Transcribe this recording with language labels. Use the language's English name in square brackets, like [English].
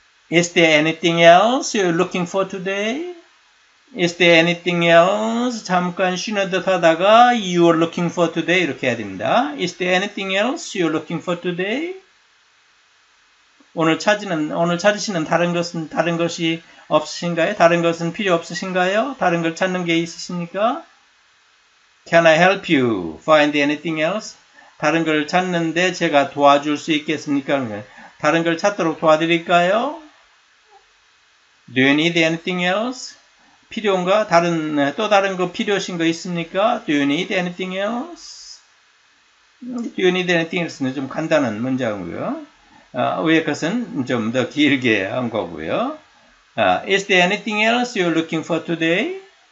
[English] Is there anything else you're looking for today? Is there anything else? [Korean] 잠깐 쉬는 듯 하다가 [English] you are looking for today. [Korean] 이렇게 해야 됩니다. [English] Is there anything else you're looking for today? [Korean] 오늘 찾으시는 다른 것이 없으신가요? 다른 것은 필요 없으신가요? 다른 걸 찾는 게 있으십니까? [English] Can I help you find anything else? [Korean] 다른 걸 찾는데 제가 도와줄 수 있겠습니까? 다른 걸 찾도록 도와드릴까요? [English] Do you need anything else? [Korean] 필요한가? 또 다른 거 필요하신 거 있습니까? [English] Do you need anything else? Do you need anything else는 [Korean] 좀 간단한 문장이고요. 왜 그것은 좀 더 길게 한 거고요. [English] Is there anything else you're looking for today?